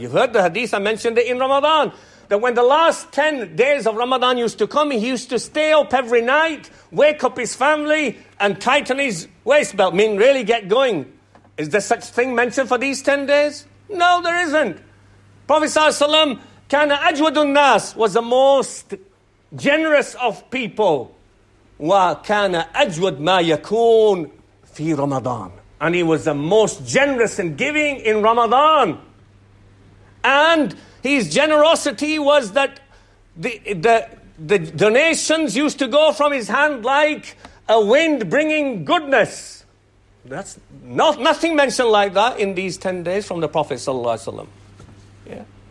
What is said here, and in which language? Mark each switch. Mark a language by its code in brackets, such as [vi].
[en] You heard the hadith, I mentioned it in Ramadan. That when the last 10 days of Ramadan used to come, he used to stay up every night, wake up his family, and tighten his waist belt, meaning really get going. Is there such thing mentioned for these 10 days? No, there isn't. Prophet ﷺ, [ar] كان أجود الناس, [en] was the most generous of people. [ar] وكان أجود ما يكون في رمضان. [en] And he was the most generous in giving in Ramadan. And his generosity was that the donations used to go from his hand like a wind bringing goodness. That's nothing mentioned like that in these 10 days from the Prophet sallallahu alaihi wasallam. Yeah.